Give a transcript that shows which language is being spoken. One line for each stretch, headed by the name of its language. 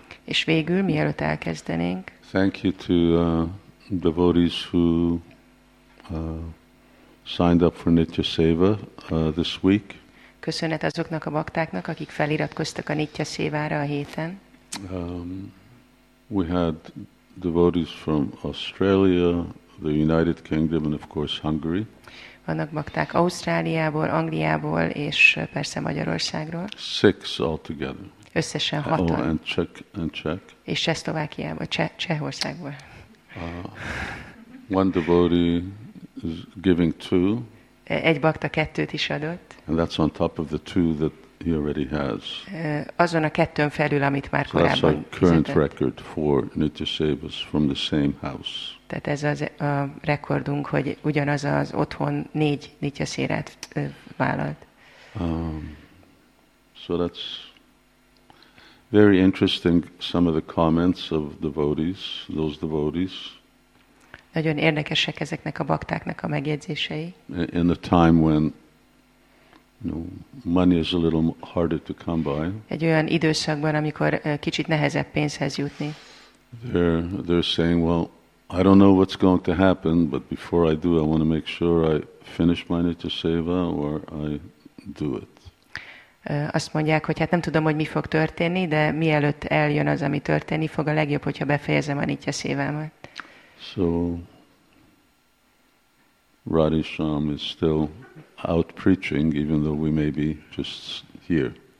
Hungarian: És végül, mielőtt elkezdenénk.
English: Thank you to devotees who signed up for Nitya Seva this week.
Hungarian: Köszönet azoknak a baktáknak, akik feliratkoztak a Nitya Sevára a héten.
English: We had devotees from Australia, the United Kingdom, and of course Hungary.
Hungarian: Vannak bakták Ausztráliából, Angliából és persze Magyarországról.
English: 6 altogether.
Hungarian: Összesen 6.
English: Oh, and Czech.
Hungarian: És Csehszlovákiából, Csehországból.
English: One devotee is giving 2.
Hungarian: Egy bakta 2-t is adott.
English: And that's on top of the 2 that he already has.
Hungarian: Azon a kettőn felül, amit már korábban fizetett.
English: That's our current record for Nityasevas from the same house.
Hungarian: Tehát ez az a rekordunk, hogy ugyanaz az otthon 4 Nityasevát vállalt.
English: So that's very interesting, some of the comments of devotees, those devotees.
Hungarian: Nagyon érdekesek ezeknek a baktáknak a megjegyzései.
English: In a time when money is a little harder to come by.
Hungarian: Egy olyan időszakban, amikor kicsit nehezebb pénzhez jutni.
English: They're saying, well, I don't know what's going to happen, but before I do, I want to make sure I finish my Nitya Seva or I do it.
Hungarian: Azt mondják, hogy hát nem tudom, hogy mi fog történni, de mielőtt eljön az, ami történni fog, a legjobb, hogyha befejezem a Nitya Sevámat.
English: So, Radhisham is still out preaching, even though we may be just here.